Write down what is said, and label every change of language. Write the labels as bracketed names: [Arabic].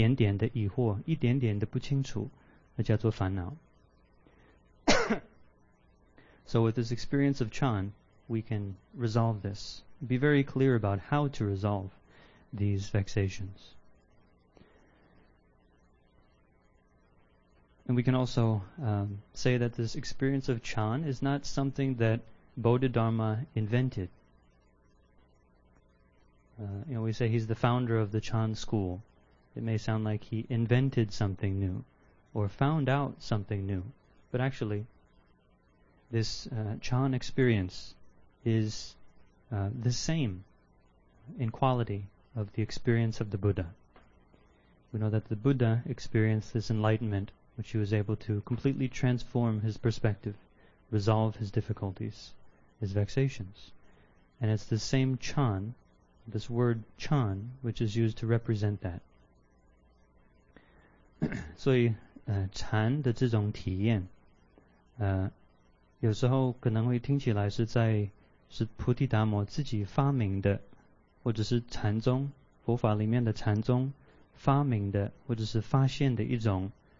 [Chinese] 情绪上的很不稳定的一些问题啊，或是家庭有很大的困扰啊，儿子去什么，去杀去放火，那个父母亲会有烦恼，对不对？但是烦恼这个字，是指任何的心理的不明、不清楚，对生命的疑惑，一点点的疑惑，一点点的不清楚。叫做烦恼。 [English] So with this experience of Chan, we can resolve this. Be very clear about how to resolve these vexations. And we can also say that this experience of Chan is not something that Bodhidharma invented. We say he's the founder of the Chan school. It may sound like he invented something new. Or found out something new. But actually, this Chan experience is the same in quality of the experience of the Buddha. We know that the Buddha experienced this enlightenment, which he was able to completely transform his perspective, resolve his difficulties, his vexations. And it's the same Chan, this word Chan, which is used to represent that. [Chinese] So, 禅的这种体验，有时候可能会听起来是在是菩提达摩自己发明的，或者是禅宗佛法里面的禅宗发明的，或者是发现的一种